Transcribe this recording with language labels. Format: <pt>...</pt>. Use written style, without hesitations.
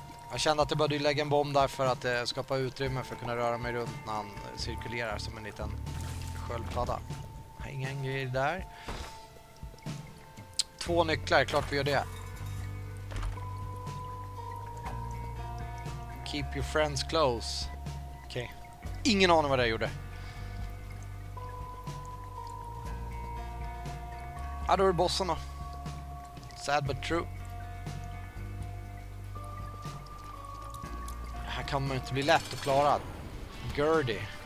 <sv>Jag kände att jag började lägga en bomb där för att skapa utrymme för att kunna röra mig runt när han cirkulerar som en liten sköldpadda. Ingen grej där. Två nycklar, klart vi gör det.</sv> <en>Keep your friends close.</en> <sv>Okej. Okay. Ingen aning vad det gjorde. Ja, då är det bossen då.</sv> <en>Sad but true.</en> <sv>Här kommer inte bli lätt att klara. Gurdy.</sv>